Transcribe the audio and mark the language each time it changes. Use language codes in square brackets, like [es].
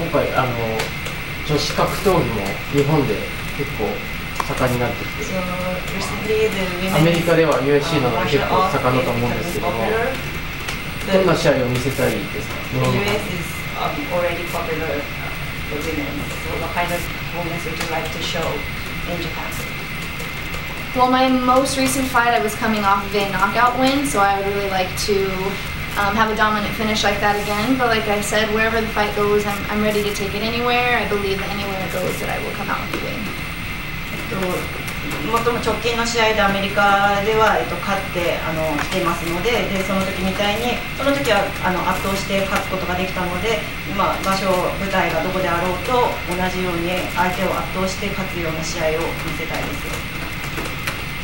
[ja] 今回女子格闘技も日本で結構盛んになってきて、アメリカでは UFC の方が結構盛んだと思うんですけども、どんな試合を見せたいですか？ [en] The US is already popular for women. So what kind of women would you like to show in Japan? Well, my most recent fight, I was coming off of a knockout win, so I would really like to. Have a dominant finish like that again, but like I said, wherever the fight goes, I'm ready to take it anywhere. I believe that anywhere it goes, that I will come out with the win. [ja] 最も直近の試合でアメリカでは勝って来ていますので、でその時みたいに、その時は圧倒して勝つことができたので、まあ、場所、舞台がどこであろうと同じように相手を圧倒して勝つような試合を見せたいです。